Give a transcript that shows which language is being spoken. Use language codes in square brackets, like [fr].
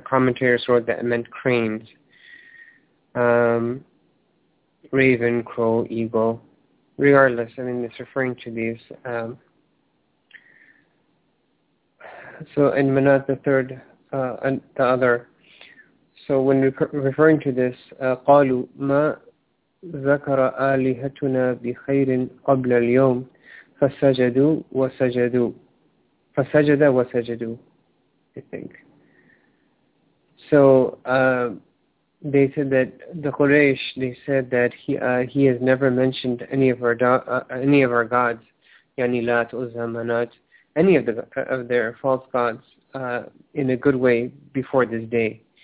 [en] Commentators wrote that it meant cranes. Raven, crow, eagle. Regardless, I mean, it's referring to these. So, and Manat the third, and the other. So, when referring to this, [ar] قالوا ما ذكر آلهتنا بخير قبل اليوم فسجدوا وسجدوا فسجد وسجدوا, [en] I think. So, they said that the Quraysh, they said that he has never mentioned any of our gods, yani Lat, Uzza, Manat, any of the of their false gods in a good way before this day.